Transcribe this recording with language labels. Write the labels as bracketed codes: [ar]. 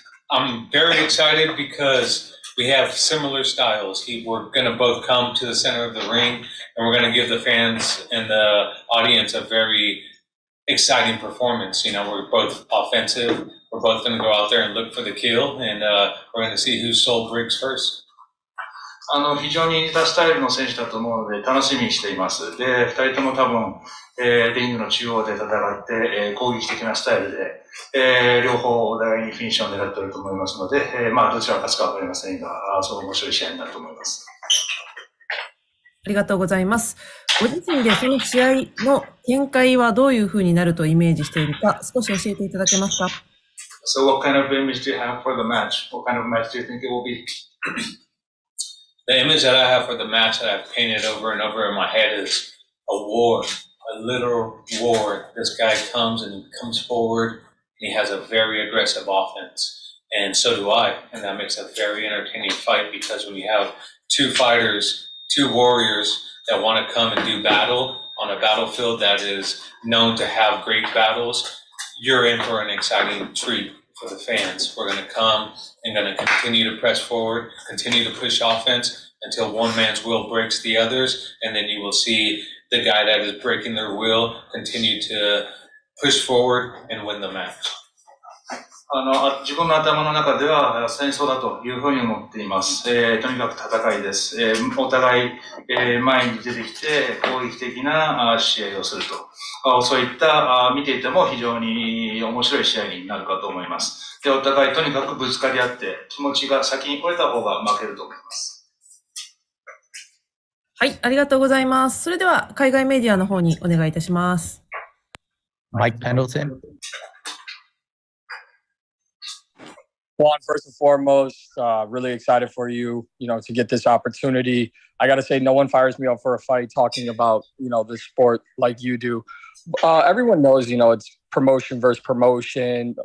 [en] I'm very excited because we have similar styles. We're going to both come to the center of the ring and we're going to give the fans and the audience a very exciting performance. You know, we're both offensive. We're both going to go out there and look for the kill and we're going to see whose soul breaks first. [ja] 非常に似たスタイルの選手だと思うので楽しみにしています。で、二人とも多分、リングの中央で戦って、攻撃的なスタイルで、両方お互いにフィニッシュを狙っていると思いますので、まあ、どちらが勝つかわかりませんが、すごく面白い試合になると思います。ありがとうございます。ご自身でその試合の展開はどういうふうになるとイメージしているか、少し教えていただけますか。 [en] So what kind of image do you have for the match? What kind of match do you think it will be? The image that I have for the match that I've painted over and over in my head is a war, a literal war. This guy comes and he comes forward and he has a very aggressive offense. And so do I. And that makes a very entertaining fight because when you have two fighters, two warriors that want to come and do battle on a battlefield that is known to have great battles, you're in for an exciting treat. For the fans, we're going to come and going to continue to press forward, continue to push offense until one man's will breaks the others. And then you will see the guy that is breaking their will continue to push forward and win the match. [ja] 自分の頭の中では戦争だというふうに思っています。とにかく戦いです。お互い、前に出てきて攻撃的な試合をすると。そういった見ていても非常に面白い試合になるかと思います。で、お互いとにかくぶつかり合って気持ちが先に来れた方が負けると思います。はい、ありがとうございます。それでは海外メディアの方にお願いいたします。マイク・ペンドルセン。 [en] Juan, first and foremost, really excited for you, you know, to get this opportunity. I got to say, no one fires me up for a fight talking about, you know, this sport like you do. Everyone knows, you know, it's promotion versus promotion.